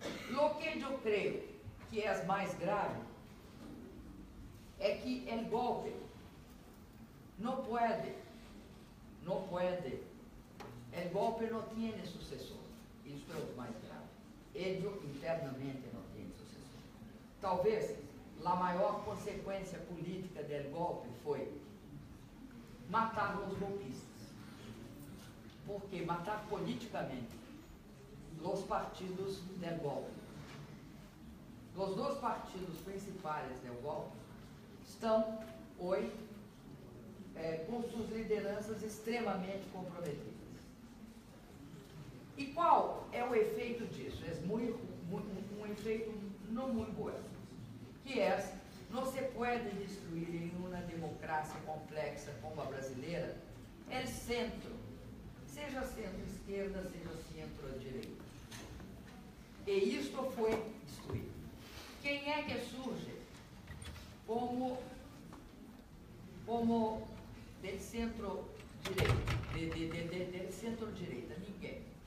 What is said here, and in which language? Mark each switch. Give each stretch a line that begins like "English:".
Spanish: Lo que
Portuguese: eu creio que é mais grave é que o golpe não pode, o golpe não tem sucessor. Isso é o mais grave. Ele internamente não tem sucessor. Talvez a maior consequência política do golpe foi matar os golpistas.
Spanish: porque matar políticamente los partidos del golpe. Los dos partidos principales del golpe están hoy con sus lideranzas extremamente comprometidas. ¿Y cuál es el efecto de eso? Es un efecto no muy bueno, que es: no se puede destruir en una democracia complexa como la brasileña el centro, sea centro-izquierda, sea centro-direita.
Portuguese: E isto
Spanish: fue destruido. ¿Quién es que surge como del centro-direita?
Portuguese: Del centro-direita, ninguém.